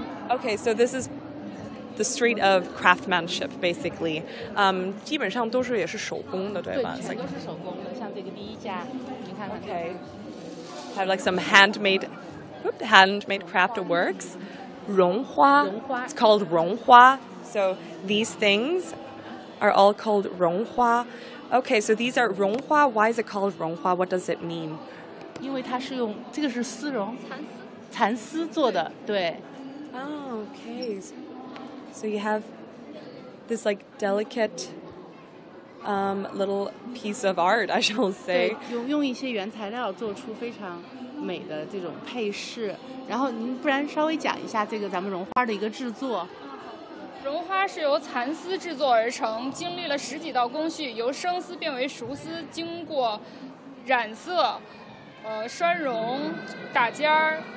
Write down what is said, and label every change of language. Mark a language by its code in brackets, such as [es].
[en] Okay, so this is the street of craftsmanship, basically. [zh] 基本上都是也是手工的，对吧？对，全都是手工的。像这个第一家，你看看。 [en] Okay. Have like some handmade craft works. [zh] 绒花。 [en] It's called 绒花.So these things are all called 绒花. Okay, so these are 绒花.Why is it called 绒花?What does it mean? [zh] 因为它是用这个是丝绒。蚕丝做的，对。 [en] Oh, okay. So you have this like delicate little piece of art, I shall say. [zh] 对，用一些原材料做出非常美的这种配饰。然后您不然稍微讲一下这个咱们绒花的一个制作。绒花是由蚕丝制作而成，经历了十几道工序，由生丝变为熟丝，经过染色、拴绒、打尖儿。